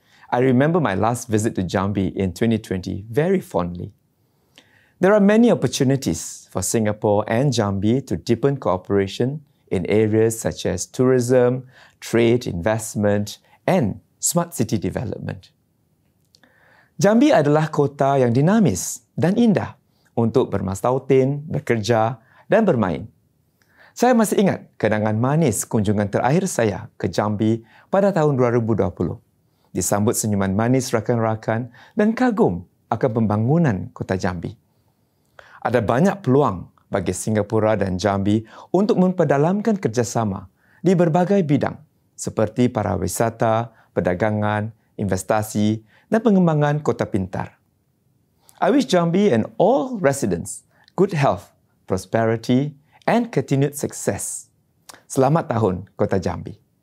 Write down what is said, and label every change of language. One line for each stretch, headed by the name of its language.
English: I remember my last visit to Jambi in 2020 very fondly. There are many opportunities for Singapore and Jambi to deepen cooperation in areas such as tourism, trade, investment, and smart city development.
Indonesian: Jambi adalah kota yang dinamis dan indah untuk bermastautin, bekerja, dan bermain. Saya masih ingat kenangan manis kunjungan terakhir saya ke Jambi pada tahun 2020. Disambut senyuman manis rakan-rakan dan kagum akan pembangunan kota Jambi. Ada banyak peluang bagi Singapura dan Jambi untuk memperdalamkan kerjasama di berbagai bidang seperti pariwisata, perdagangan, investasi dan pengembangan kota pintar.
English: I wish Jambi and all residents good health, prosperity and continued success.
Indonesian: Selamat tahun Kota Jambi.